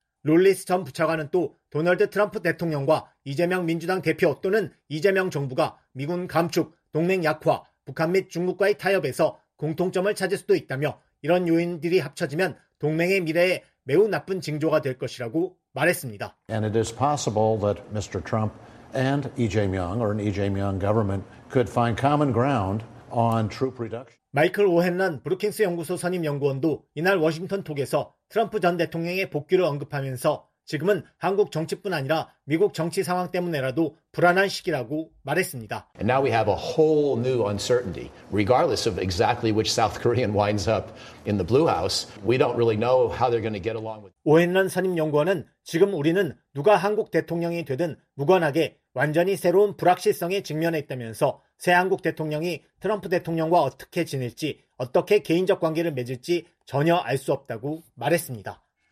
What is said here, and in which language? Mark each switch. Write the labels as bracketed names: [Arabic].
[Korean] 롤리스 전 부차관은 또 도널드 트럼프 대통령과 이재명 민주당 대표 또는 이재명 정부가 미군 감축, 동맹 약화, 북한 및 중국과의 타협에서 공통점을 찾을 수도 있다며 이런 요인들이 합쳐지면 동맹의 미래에 매우 나쁜 징조가 될 것이라고 말했습니다. [English] And it is possible that Mr. Trump and Lee Jae-myung or an Lee Jae-myung government could find common ground on troop reduction. [Korean] 마이클 오헨란 브루킹스 연구소 선임 연구원도 이날 워싱턴 톡에서 트럼프 전 대통령의 복귀를 언급하면서 지금은 한국 정치뿐 아니라 미국 정치 상황 때문에라도 불안한 시기라고 말했습니다. [English] And now we have a whole new uncertainty. Regardless of exactly which South Korean winds up in the Blue House, we don't really know how they're going to get along with. [Korean] 오헨란 선임 연구원은 지금 우리는 누가 한국 대통령이 되든 무관하게 완전히 새로운 불확실성에 직면해 있다면서 새 한국 대통령이 트럼프 대통령과 어떻게 지낼지, 어떻게 개인적 관계를 맺을지 전혀 알 수 없다고 말했습니다.